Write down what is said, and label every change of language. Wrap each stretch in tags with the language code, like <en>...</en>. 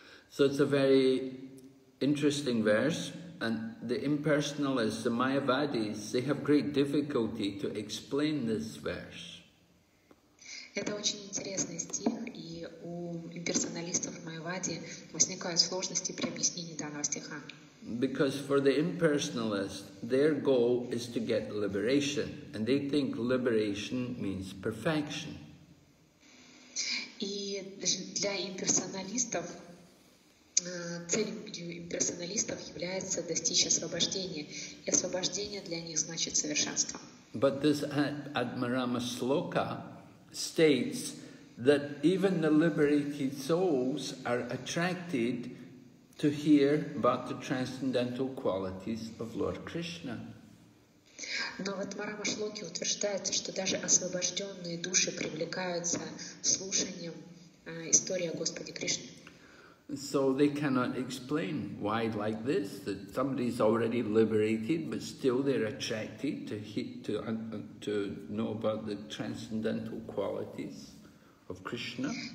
<en>So it's a very interesting verse, and the impersonalists, the Mayavadis, they have great difficulty to explain this verse.</en> <ru>Это очень интересный стих, и у имперсоналистов Майявади возникают сложности при объяснении данного стиха.</ru> <en>Because for the impersonalist, their goal is to get liberation, and they think liberation means perfection.</en> <ru>И для имперсоналистов, целью имперсоналистов является достичь освобождения, и освобождение для них значит совершенство.</ru> <en>But this Atmarama Sloka states that even the liberated souls are attracted to hear about the transcendental qualities of Lord Krishna.</en> <ru>Но в Атмарама Шлоке утверждается, что даже освобожденные души привлекаются слушанием истории о Господе Кришне.</ru> <en>So they cannot explain why like this, that somebody is already liberated, but still they're attracted to know about the transcendental qualities of Krishna.</en>